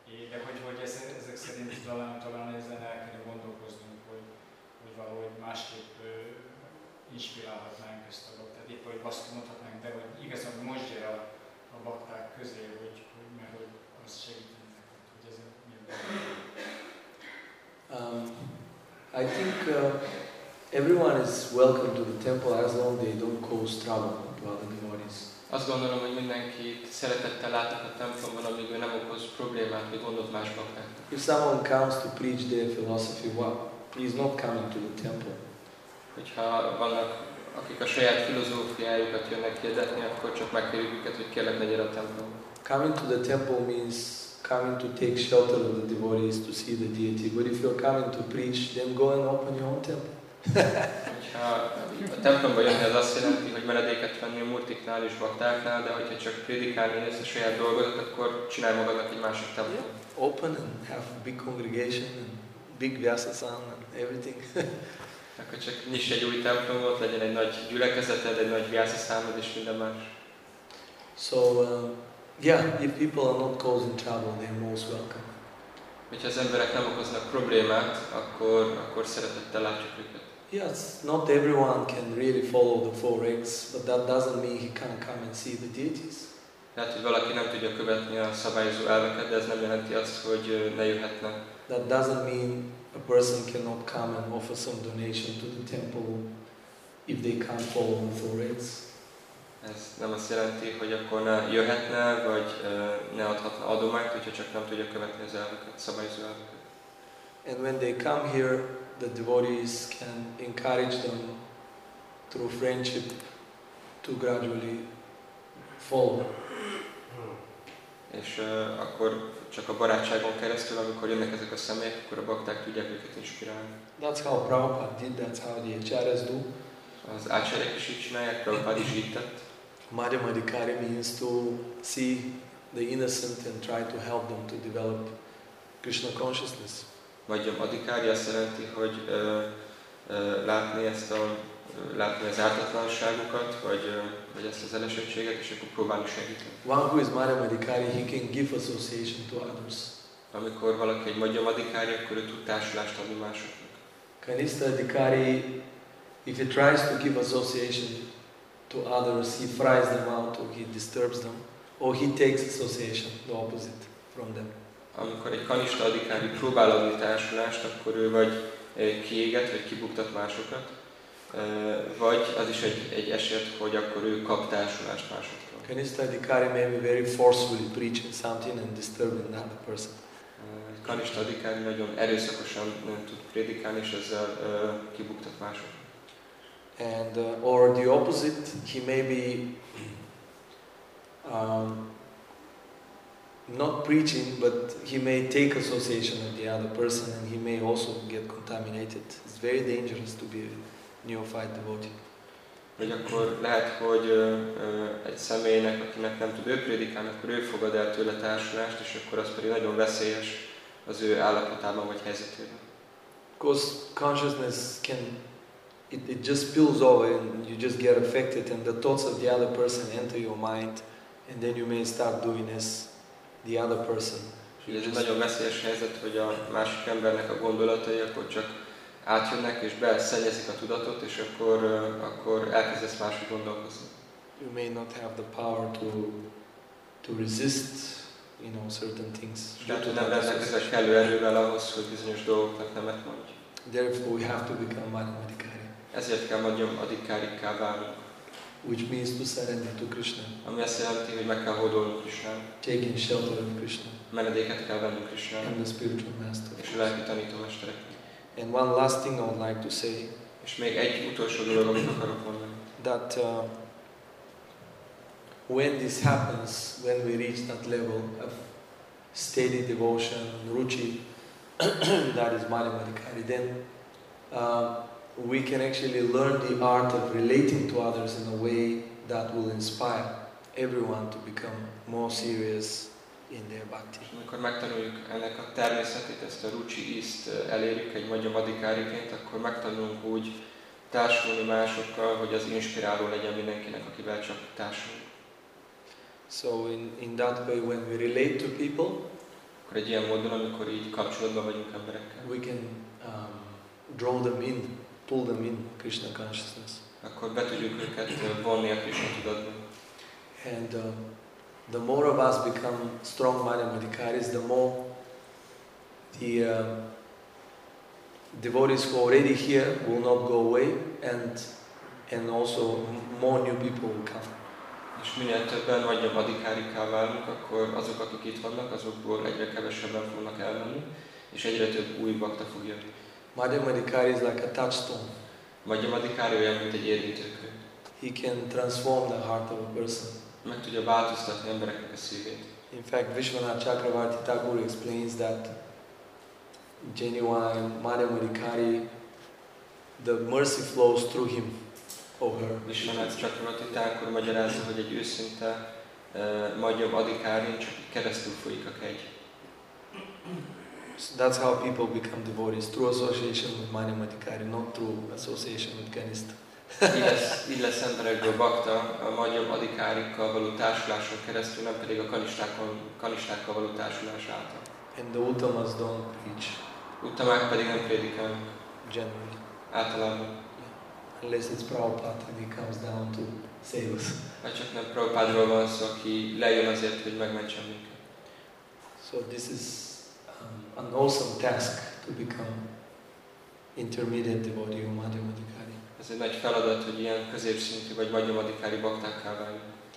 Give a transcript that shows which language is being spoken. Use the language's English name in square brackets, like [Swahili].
[Hungarian] De hogy ezek szerint talán ezen el kell gondolkoznunk, hogy valahogy másképp inspirálhatnánk ezt a dolgot, tehát épp hogy azt mondhatnánk, de hogy igazán most gyere a bakták közé, hogy mert hogy az segítenek, hogy ez miért [English] I think everyone is welcome to the temple as long as they don't cause trouble to other devotees. [Hungarian] Azt gondolom, hogy mindenki szeretettel látnak a templomban, amíg ő nem okoz problémát, vagy gondot más bakták. [English] If someone comes to preach their philosophy, well, he's not coming to the temple. [Hungarian] Hogyha vannak, akik a saját filozófiájukat jönnek kérdetni, akkor csak megkérjük őket, hogy kérlek, ne gyere a templomba. [English] Coming to the temple means coming to take shelter of the devotees, to see the deity. But if you're coming to preach, then go and open your own temple. [Hungarian] Hogyha a templomba jönni, az azt jelenti, hogy menedéket venni a murtiknál és baktáknál, de hogyha csak prédikálni jössz a saját dolgodat, akkor csinálj magadnak egy másik templom. [English] Yeah. Open and have a big congregation, and big vyasasan and everything. [Hungarian] Akkor csak nyiss egy új templomot, legyen egy nagy gyülekezeted, egy nagy viászi számod és minden más. [English] So, if people are not causing trouble, they're most welcome. [Hungarian] Hogyha az emberek nem okoznak problémát, akkor szeretettel látjuk őket. [English] Yes, not everyone can really follow the four eggs, but that doesn't mean he can't come and see the deities. [Hungarian] Lehet, hogy valaki nem tudja követni a szabályozó elveket, de ez nem jelenti azt, hogy ne jöhetne. [English] That doesn't mean a person cannot come and offer some donation to the temple if they can't follow the four rites. [Hungarian] Ez nem azt jelenti, hogy akkor ne jöhetne, vagy ne adhatna adományt, hogyha csak nem tudja követni az elveket, szabályozó elveket. [English] And when they come here, the devotees can encourage them through friendship to gradually follow. [Hungarian] És akkor csak a barátságon keresztül, amikor jönnek ezek a személyek, akkor a bakták tudják őket inspirálni. [English] That's how Prabhupada did, that's how the acharyas do. [Hungarian] Az acharyák is így csinálják, Prabhupada is így tett. [English] Madhya Madhikari means to see the innocent and try to help them to develop Krishna consciousness. [Hungarian] Madhya Madhikari azt jelenti, hogy látni ezt a látni az ártatlanságukat, vagy ezt az elesettséget, és akkor próbálni segíteni. [English] One who is Madhya Madhikari, he can give association to others. [Hungarian] Amikor valaki egy Madhya Madhikari, akkor ő tud társulást adni másoknak. [English] Kanista Adhikari, if he tries to give association to others, he fries them out, or he disturbs them, or he takes association, the opposite, from them. [Hungarian] Amikor egy Kanista Adhikari próbál adni társulást, akkor ő vagy kiéget, vagy kibuktat másokat. Vagy az is egy eset, hogy akkor ő kap társulást másoktól. [English] Kanista Adhikari may be very forcefully preaching something and disturbing another person. [Hungarian] Kanista Adhikari nagyon erőszakosan tud prédikálni, és ezzel kibuktat mások. [English] And or the opposite, he may be not preaching, but he may take association with the other person and he may also get contaminated. It's very dangerous to be neophyte devotee. [Hungarian] Vagy akkor lehet, hogy egy személynek, akinek nem tud ő prédikálni, akkor ő fogad el tőle társulást, és akkor az pedig nagyon veszélyes az ő állapotában vagy helyzetében. [English] Because consciousness can, it just spills over and you just get affected and the thoughts of the other person enter your mind and then you may start doing as the other person. [Hungarian] Ez egy nagyon veszélyes helyzet, hogy a másik embernek a gondolatai akkor csak átjönnek és beszennyezik a tudatot, és akkor elkezdesz másra gondolkozni. [English] You may not have the power to resist, you know, certain things. [Hungarian] Tehát nem lennek ezek kellő erővel ahhoz, hogy bizonyos dolgoknak nemet mondj. [English] Therefore we have to become Madhikari. [Hungarian] Ezért kell mondjam Adhikarikká válnunk. [English] Which means to surrender to Krishna. [Hungarian] Ami azt jelenti, hogy meg kell hódolni Krishna. [English] Taking shelter of Krishna. [Hungarian] Menedéket kell vennünk Krishna. [English] And the spiritual master. [Hungarian] És a lelki tanító mesterek. [English] And one last thing I would like to say. [Hungarian] És még egy utolsó dolog, amit akarok mondani. [English] That when this happens, when we reach that level of steady devotion, ruchi, that is Madhya Madhikari, then we can actually learn the art of relating to others in a way that will inspire everyone to become more serious in their bhakti. [Hungarian] Amikor megtanuljuk ennek a természetét, ezt a ruchi ízt elérjük egy Madhya Madhikáriként, akkor megtanulunk úgy társulni másokkal, hogy az inspiráló legyen mindenkinek, akivel csak társulunk. [English] So in that way, when we relate to people, [Hungarian] akkor egy ilyen módon, amikor így kapcsolatban vagyunk emberekkel, [English] we can draw them in, pull them in Krishna consciousness. [Hungarian] Akkor be tudjuk őket vonni a Krishna tudatba. [English] And the more of us become strong Madhya Madhikaris, the more the devotees who are already here will not go away, and also more new people will come. [Hungarian] És minél többen Madhya Madhikarikká válunk, akkor azok, akik itt vannak, azokból egyre kevesebben fognak elmenni, és egyre több új bhakta fog jönni. [English] Madhya Madhikari is like a touchstone. [Hungarian] Madhya Madhikari olyan, mint egy érintőkő. [English] He can transform the heart of a person. [Hungarian] Meg tudja változtatni embereknek a szívét. [English] In fact, Vishwanath Chakravarti Thakur explains that genuine Madhya Madhikari, the mercy flows through him or her. [Hungarian] Vishwanath Chakravarti Thakur magyarázza, hogy egy őszinte Madhya Madhikari csak keresztül folyik a kegy. [English] So that's how people become devotees, through association with Madhya Madhikari, not through association with Kanista. [Hungarian] Így lesz emberekből bakta a Madhya Madhikárikkal való társuláson keresztül, nem pedig a kanistákkal való társulás által. [English] And the Uttamas don't preach. [Hungarian] Uttamák pedig nem prédikálnak. [English] Generally. [Hungarian] Általában. [English] Yeah. Unless it's Prabhupada and he comes down to save us. [Hungarian] Vagy csak nem Prabhupádról van szó, aki lejön azért, hogy megmentsen minket. [English] So this is an awesome task to become intermediate devotee of Madhya Madhikari. [Hungarian] Ez egy nagy feladat, hogy ilyen középszintű vagy Madhya Madhikari baktákká váljunk.